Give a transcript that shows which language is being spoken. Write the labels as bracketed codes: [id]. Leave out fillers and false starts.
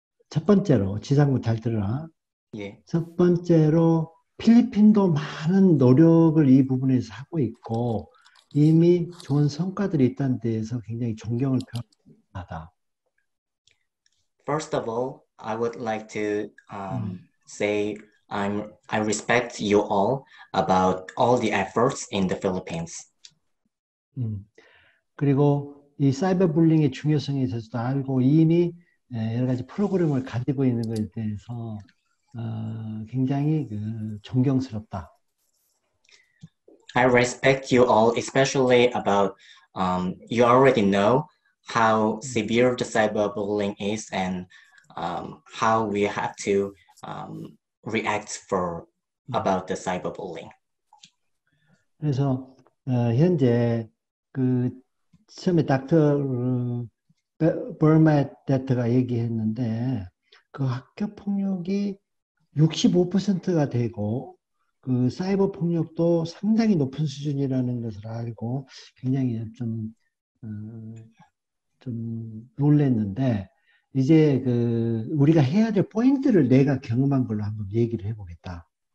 [ko] 첫 번째로 지상군 잘 들어라. 예. 첫 번째로 필리핀도 많은 노력을 이 부분에서 하고 있고 이미 좋은 성과들이 있다는 데에서 굉장히 존경을 표합니다. [en] First of all, I would like to say I respect you all about all the efforts in the Philippines. [ko] 그리고 이 사이버 불링의 중요성에 대해서도 알고 이미 여러 가지 프로그램을 가지고 있는 것에 대해서 굉장히 존경스럽다. [en] I respect you all, especially about you already know how severe the cyberbullying is and how we have to react for about the cyberbullying. [ko] 그래서 현재 처음에 닥터 버마데트가 얘기했는데 그 학교 폭력이 65%가 되고 그 사이버 폭력도 상당히 높은 수준이라는 것을 알고 굉장히 좀 놀랐는데 이제 그 우리가 해야 될 포인트를 내가 경험한 걸로 한번 얘기를 해보겠다.